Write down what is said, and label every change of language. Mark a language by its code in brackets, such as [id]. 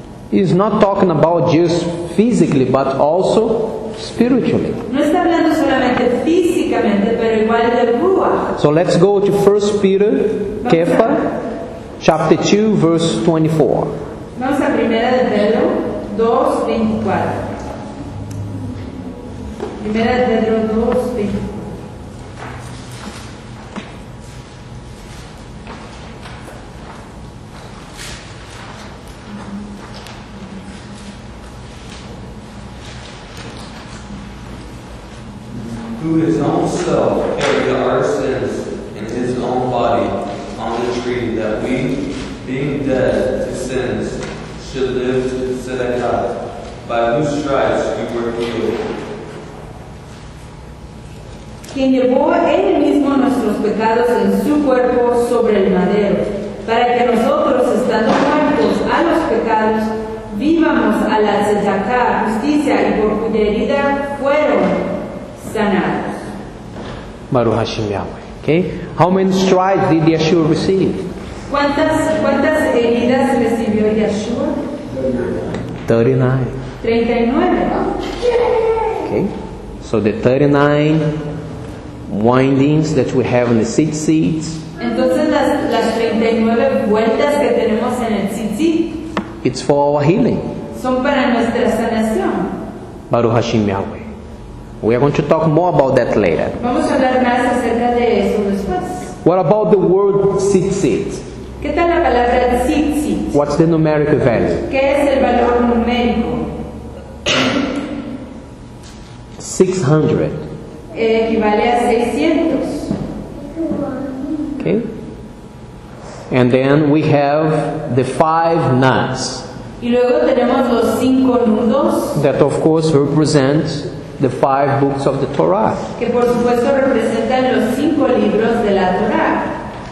[en] He's not talking about just physically, but also spiritually. [es] No está hablando solamente físicamente, pero igual de Ruach. [en] So let's go to 1 Peter, Kepha, chapter 2, verse 24. [es] Vamos a Primera de Pedro 2, 24. Primera de Pedro 2, 24. [en] Who his own self carried our sins in his own body on the tree, that we, being dead to sins, should live to the Tzedakah, by whose stripes we were healed. [es] Quien llevó él mismo nuestros pecados en su cuerpo sobre el madero, para que nosotros, estando muertos a los pecados, vivamos a la Tzedakah, justicia, y por cuya herida fueron sanados. [he] Baruch Hashem Yahweh. [en] Okay? How many stripes did Yeshua receive? [es] ¿Cuántas heridas recibió Yeshua? [en] 39. 39. Okay. So the 39 windings that we have in the six seats. [es] Entonces las 39 vueltas que tenemos en el tzitzit. [en] It's for our healing. [es] Son para nuestra sanación. [he] Baruch Hashem Yahweh. [en] We are going to talk more about that later. [es] Vamos a hablar más acerca de eso después. [en] What about the word tzitzit? [es] ¿Qué tal la palabra tzitzit? [en] What's the numerical value? [es] ¿Qué es el valor numérico? [en] 600. [es] Equivale a 600. [en] Okay. And then we have the five knots. [es] Y luego tenemos los cinco nudos. [en] That of course represent the five books of the Torah. [es] Que por supuesto representan los cinco libros de la Torah.